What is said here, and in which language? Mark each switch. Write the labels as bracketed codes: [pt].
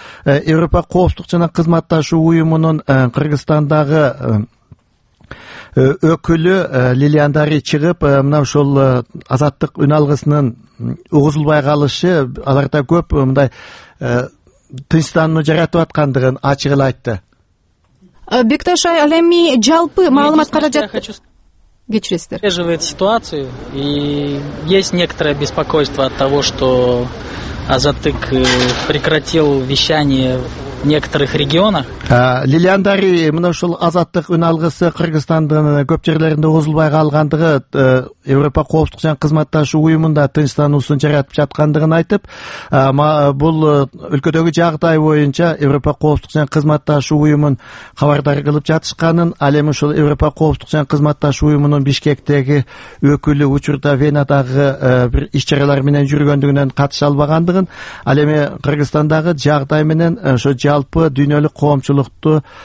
[ky] Европа коопсуздук жана кызматташуу уюмунун Кыргызстандагы өкүлү Лилиандари чыгып мына ушул азаттык үн алгысынын угузулбай калышы аларда көп мындай тынчтануу жаратып аткандыгын ачык эле айтты. Бекташ, ал эми жалпы маалымат каражат [ru] поддерживает ситуацию, и есть некоторое беспокойство от того, что Азаттык прекратил вещание в некоторых регионах. [ky] Лилиандари, мына ушул Азаттык үн алгысы Кыргызстандын көп жерлеринде угузулбай калгандыгы, Европа коопсуздук жана кызматташуу уюмунда тынчтануусун жаратып жаткандыгын айтып, бул өлкөдөгү жагдай боюнча Европа коопсуздук жана кызматташуу уюмун кабардар кылып жатышканын, ал эми ушул Европа коопсуздук жана кызматташуу уюмунун Бишкектеги өкүлү учурда Венадагы бир иш чаралар менен жүргөндүгүнөн катыша албагандыгын, ал эми Кыргызстандагы жагдай менен ошо жалпы дүйнөлүк коомчулукту